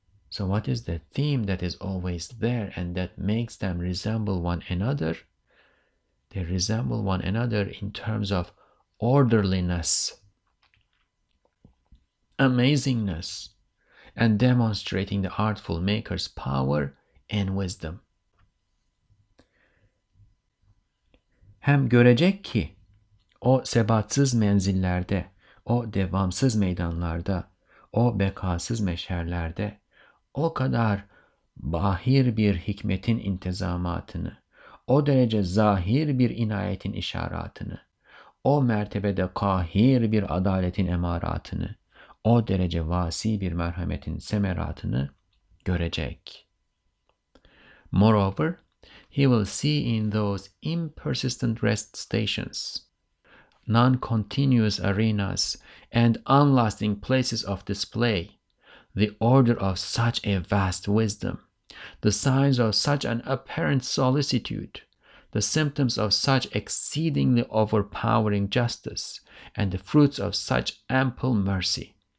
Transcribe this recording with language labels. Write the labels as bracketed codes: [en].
[en] So what is the theme that is always there and that makes them resemble one another? They resemble one another in terms of orderliness, amazingness, and demonstrating the artful maker's power and wisdom. [tr] Hem görecek ki, o sebatsız menzillerde, o devamsız meydanlarda, o bekasız meşherlerde, o kadar bahir bir hikmetin intizamatını, o derece zahir bir inayetin işaratını, o mertebede kahir bir adaletin emaratını, o derece vasi bir merhametin semeratını görecek. [en] Moreover, he will see in those impersistent rest stations, non-continuous arenas, and unlasting places of display, the order of such a vast wisdom, the signs of such an apparent solicitude, the symptoms of such exceedingly overpowering justice, and the fruits of such ample mercy.